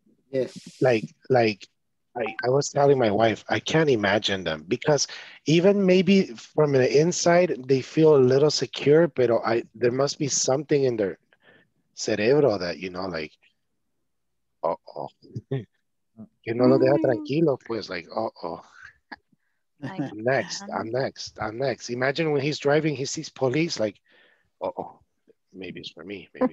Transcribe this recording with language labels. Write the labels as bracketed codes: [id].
[en] Yes. Like, I was telling my wife, I can't imagine them because even maybe from the inside, they feel a little secure, but there must be something in their cerebro that, you know, like, uh-oh. [es] Que no lo deja tranquilo, pues, [en] like, uh-oh. I'm next. Imagine when he's driving, he sees police, like, uh-oh, maybe it's for me.